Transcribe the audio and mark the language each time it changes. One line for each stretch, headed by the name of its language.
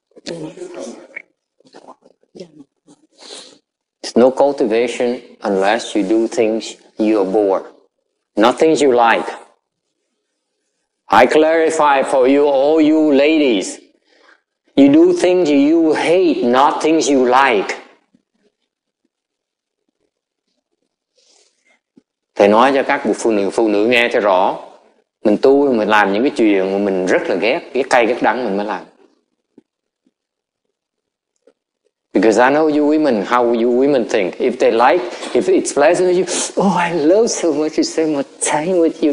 English: It's no cultivation unless you do things you abhor, not things you like. I clarify for you, all you ladies, you do things you hate, not things you like.
Vietnamese: Thầy nói cho các phụ nữ nghe cho rõ. Mình tu, mình làm những cái chuyện mà mình rất là ghét, cái cay, cái đắng mình mới làm.
English: Because I know you women, how you women think. If they like, if it's pleasant to you, oh, I love so much to spend more time with you.